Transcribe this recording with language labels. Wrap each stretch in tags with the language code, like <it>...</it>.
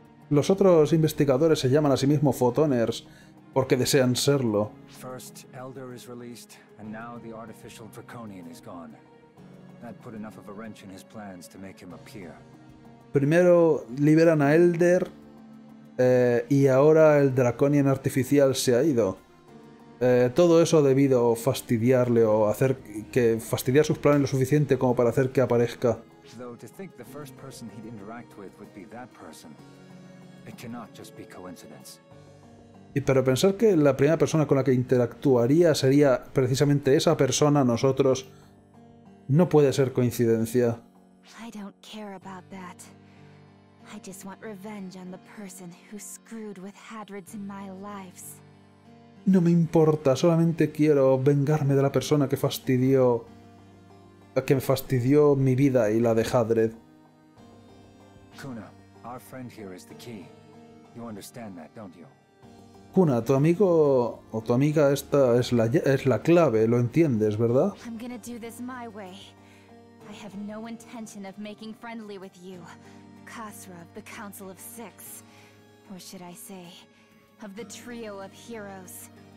<es>Los otros investigadores se llaman a sí mismos fotoners porque desean serlo.</es> <en>First, Elder is released, and now the artificial draconian is gone. That put enough of a wrench in his plans to make him appear.</en> <es>Primero liberan a Elder, y ahora el draconian artificial se ha ido. Todo eso debido a fastidiarle o hacer que fastidiar sus planes lo suficiente como para hacer que aparezca.</es> <en>Though to think the first person he'd interact with would be that person, it cannot just be coincidence.</en> <es>Y pero pensar que la primera persona con la que interactuaría sería precisamente esa persona, nosotros, no puede ser coincidencia.</es> <en>I don't care about that. I just want revenge on the person who screwed with Hadrids in my lives.</en> <es>No me importa, solamente quiero vengarme de la persona que fastidió. Que me fastidió mi vida y la de Hadred.</es> <en>Kuna, our friend here is the key. You understand that, don't you?</en> <es>Kuna, tu amigo o tu amiga esta es la clave, lo entiendes, ¿verdad?</es> <en>I'm gonna do this my way. I have no intention of making friendly with you, Khosra of the Council of Six. Or should I say, of the trio of heroes.</en>